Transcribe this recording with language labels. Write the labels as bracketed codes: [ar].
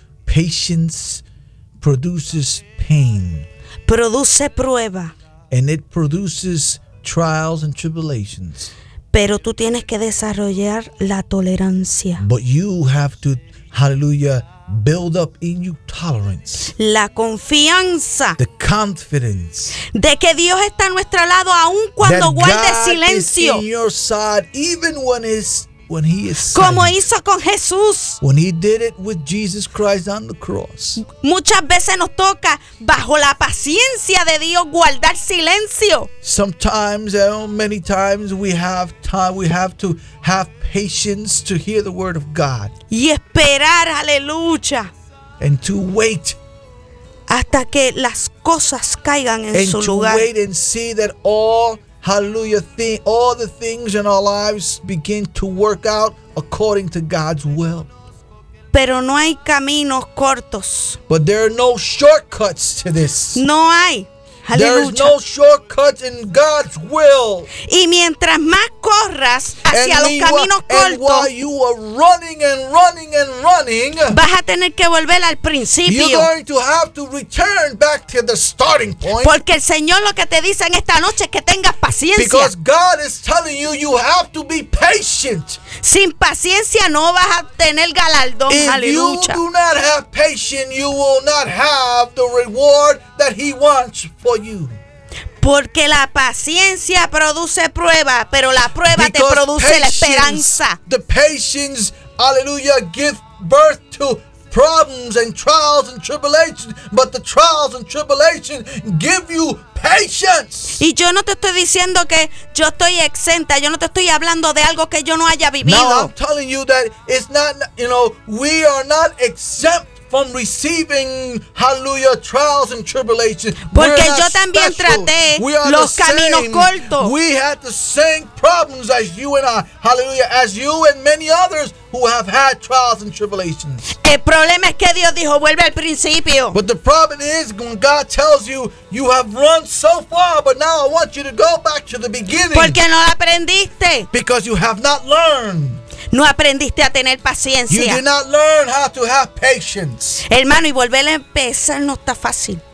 [en] Patience produces pain. [es] Produce prueba. [en] And it produces trials and tribulations. [es] Pero tú tienes que desarrollar la tolerancia. [en] But you have to, hallelujah, build up in you tolerance. [es] La confianza. [en] The confidence. [es] De que Dios está a nuestro lado aun cuando guarde silencio. [en] That God is in your side even when he is silent. [es] Como hizo con Jesús. [en] When he did it with Jesus Christ on the cross. [es] Muchas veces nos toca bajo la paciencia de Dios guardar silencio. [en] Sometimes, many times we have time, we have to have patience to hear the word of God. [es] Y esperar, aleluya. [en] And to wait. [es] Hasta que las cosas caigan en su lugar. [en] And to wait and see that all, hallelujah, all the things in our lives begin to work out according to God's will. [es] Pero no hay caminos cortos. [en] But there are no shortcuts to this. [es] No hay. [en] There is no shortcuts in God's will. [es] Y mientras más corras hacia los caminos cortos, [en] while you are running and running and running, [es] vas a tener que volver al principio. [en] You're going to have to return back to the starting point. [es] Porque el Señor lo que te dice en esta noche es que tengas paciencia. [en] Because God is telling you you have to be patient. [es] Sin paciencia no vas a tener galardón. [en] If [es] aleluya. [en] You do not have patience, you will not have the reward that He wants for you. [es] Porque la paciencia produce prueba, pero la prueba [en] Because [es] te produce la esperanza. [en] The patience, aleluya, give birth to problems and trials and tribulations, but the trials and tribulations give you patience. [es] Y yo no te estoy diciendo que yo estoy exenta, yo no te estoy hablando de algo que yo no haya vivido. [en] No, I'm telling you that it's not, you know, we are not exempt from receiving, hallelujah, trials and tribulations. [es] Porque yo también traté los caminos cortos. [en] We had the same problems as you and I, hallelujah, as you and many others who have had trials and tribulations. [es] El problema es que Dios dijo, vuelve al principio. [en] But the problem is when God tells you, you have run so far, but now I want you to go back to the beginning. [es] Porque no lo aprendiste. [en] Because you have not learned. [es] No aprendiste a tener paciencia. [en] You did not learn how to have patience. [es] Hermano, y volver a empezar no está fácil.